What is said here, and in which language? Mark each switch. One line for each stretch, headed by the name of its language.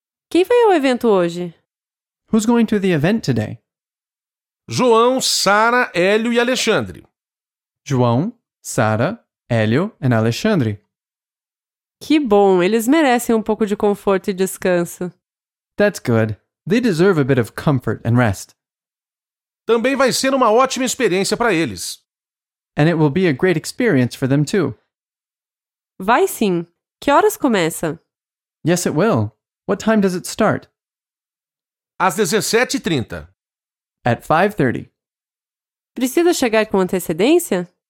Portuguese: Quem foi ao evento hoje?
English: Who's going to the event today?
Portuguese: João, Sara, Hélio e Alexandre. João, Sara, Hélio e Alexandre. Que bom, eles merecem um pouco de conforto e descanso.
English: That's good. They deserve a bit of comfort and rest.
Portuguese: Também vai ser uma ótima experiência para eles.
English: And it will be a great experience for them too.
Portuguese: Vai sim. Que horas começa?
English: Yes, it will. What time does it start?
Portuguese: Às 17h30.
English: At 5:30.
Portuguese: Precisa chegar com antecedência?